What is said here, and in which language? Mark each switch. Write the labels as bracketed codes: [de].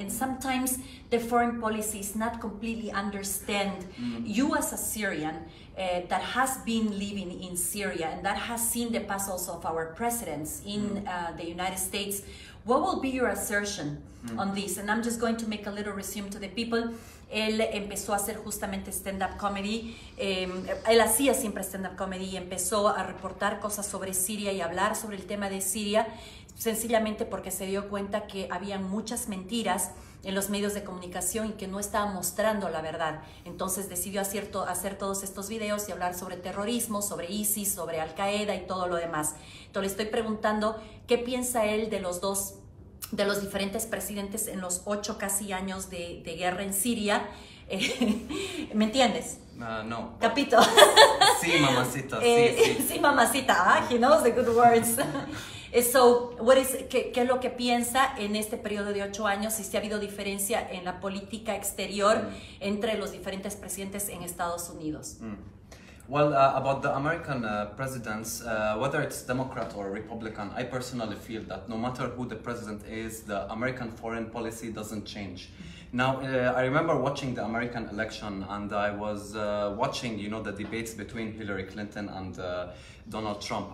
[en] And sometimes the foreign policy is not completely understand. Mm-hmm. You as a Syrian that has been living in Syria and that has seen the past also of our presidents in the United States, what will be your assertion on this? And I'm just going to make a little resume to the people. [es] Él empezó a hacer justamente stand-up comedy. Él hacía siempre stand-up comedy y empezó a reportar cosas sobre Siria y hablar sobre el tema de Siria, sencillamente porque se dio cuenta que había muchas mentiras en los medios de comunicación y que no estaba mostrando la verdad. Entonces decidió hacer todos estos videos y hablar sobre terrorismo, sobre ISIS, sobre Al-Qaeda y todo lo demás. Entonces le estoy preguntando qué piensa él de los dos, de los diferentes presidentes en los ocho casi años de guerra en Siria. ¿Me entiendes? No. [it] Capito. [es] Sí, mamacita, sí. Sí, mamacita, [en] he knows the good words. [es] So, ¿qué es lo que piensa en este periodo de ocho años? ¿Si ha habido diferencia en la política exterior entre los diferentes presidentes en Estados Unidos? [en] Well, about the American presidents, whether it's Democrat or Republican, I personally feel that no matter who the president is, the American foreign policy doesn't change. Now, I remember watching the American election and I was watching, you know, the debates between Hillary Clinton and Donald Trump.